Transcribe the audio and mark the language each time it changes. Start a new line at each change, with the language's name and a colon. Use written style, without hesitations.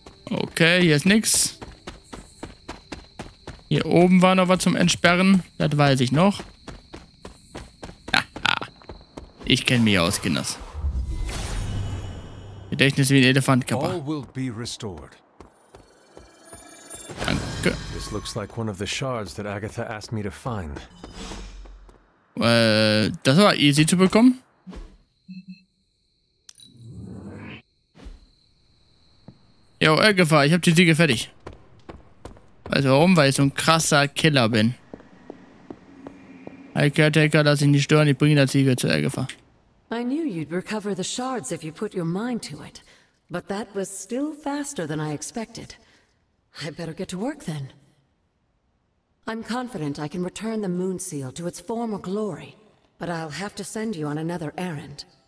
German: Okay, hier ist nichts. Hier oben war noch was zum Entsperren. Das weiß ich noch. Ich kenne mich aus, Kinders. Gedächtnis wie ein Elefantkörper.
English: All will be restored.
German: Danke.
English: This looks like one of the shards that Agatha asked me to find.
German: Das war easy zu bekommen. Yo, Agatha, ich hab die Siege fertig. Weißt du warum? Weil ich so ein krasser Killer bin. Hey, Caretaker, lass ihn nicht stören, ich bringe die Siege zu Agatha.
English: I knew you'd recover the shards if you put your mind to it, but that was still faster than I expected. I better get to work then. I'm confident I can return the moon seal to its former glory, but I'll have to send you on another errand.